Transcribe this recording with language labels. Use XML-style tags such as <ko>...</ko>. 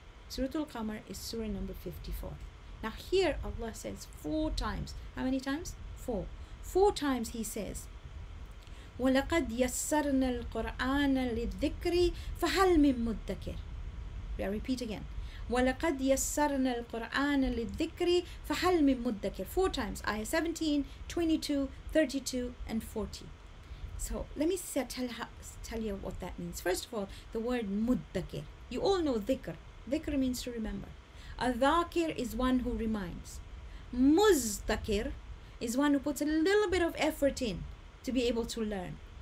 <en>Suratul Qamar is Surah number 54. Now, here Allah says four times. How many times? Four times he says,</en> <ar>وَلَقَدْ يَسَّرْنَا الْقُرْآنَ لِلذِّكْرِ فَهَلْ مِن مُدَّكِرِ.</ar> <en>I repeat again.</en> <ar>ولقد يسرنا القرآن للذكر فهل من مدكر.</ar> <en>Four times, ayah 17, 22, 32, and 40. So let me tell you what that means. First of all, the word مدكر. You all know ذكر. ذكر means to remember. A ذاكر is one who reminds. مزدكر is one who puts a little bit of effort in to be able to learn.</en>